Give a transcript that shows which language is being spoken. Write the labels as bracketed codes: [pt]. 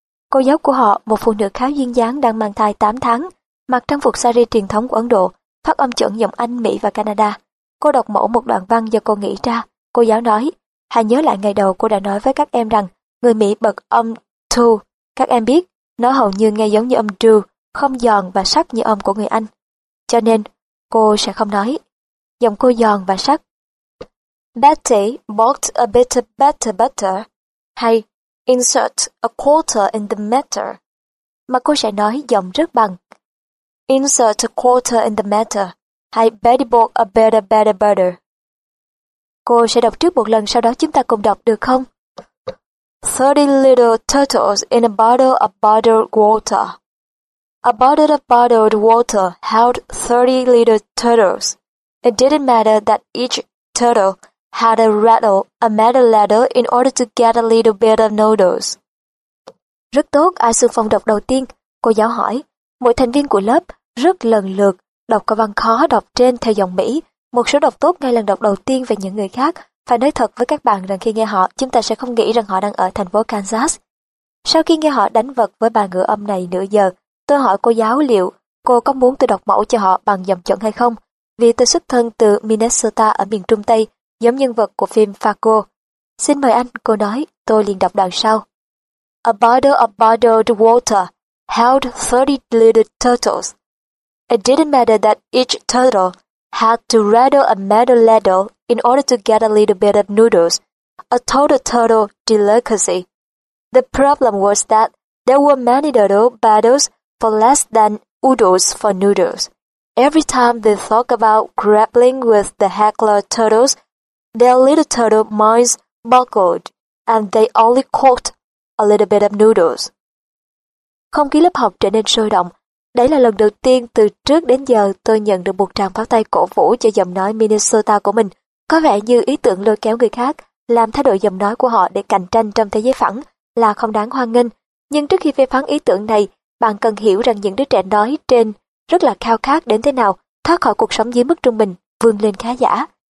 [vi] Cô giáo của họ, một phụ nữ khá duyên dáng đang mang thai 8 tháng, mặc trang phục sari truyền thống của Ấn Độ, phát âm chuẩn giọng Anh, Mỹ và Canada. Cô đọc mẫu một đoạn văn do cô nghĩ ra. Cô giáo nói, hãy nhớ lại ngày đầu cô đã nói với các em rằng người Mỹ bật âm TU. Các em biết, nó hầu như nghe giống như âm DU, không giòn và sắc như âm của người Anh. Cho nên, cô sẽ không nói. Giọng cô giòn và sắc. [en] Betty bought a bit of butter. Hay, insert a quarter in the matter. [vi] Mà cô sẽ nói giọng rất bằng. [en] Insert a quarter in the matter. Hay, Betty bought a bit of butter. [vi] Cô sẽ đọc trước một lần, sau đó chúng ta cùng đọc được không? [en] 30 little turtles in a bottle of bottled water. A bottle of bottled water held 30 little turtles. It didn't matter that each turtle had a metal ladle in order to get a little bit of noodles. [vi] Rất tốt, ai xung phong đọc đầu tiên? Cô giáo hỏi. Mỗi thành viên của lớp rất lần lượt đọc câu văn khó đọc trên theo dòng Mỹ. Một số đọc tốt ngay lần đọc đầu tiên về những người khác. Phải nói thật với các bạn rằng khi nghe họ, chúng ta sẽ không nghĩ rằng họ đang ở thành phố Kansas. Sau khi nghe họ đánh vật với bài ngữ âm này nửa giờ, tôi hỏi cô giáo liệu cô có muốn tôi đọc mẫu cho họ bằng giọng chuẩn hay không, vì tôi xuất thân từ Minnesota ở miền Trung Tây, giống nhân vật của phim Fargo. Xin mời anh, cô nói, tôi liền đọc đoạn sau. [en] A bottle of bottled water held 30 little turtles. It didn't matter that each turtle had to rattle a metal ladle in order to get a little bit of noodles, a total turtle delicacy. The problem was that there were many little battles for less than oodles for noodles. Every time they thought about grappling with the heckler turtles, their little turtle minds boggled, and they only caught a little bit of noodles. [vi] Không khí lớp học trở nên sôi động. Đấy là lần đầu tiên từ trước đến giờ tôi nhận được một tràng pháo tay cổ vũ cho giọng nói Minnesota của mình. Có vẻ như ý tưởng lôi kéo người khác, làm thay đổi giọng nói của họ để cạnh tranh trong thế giới phẳng là không đáng hoan nghênh. Nhưng trước khi phê phán ý tưởng này, bạn cần hiểu rằng những đứa trẻ nói trên rất là khao khát đến thế nào, thoát khỏi cuộc sống dưới mức trung bình, vươn lên khá giả.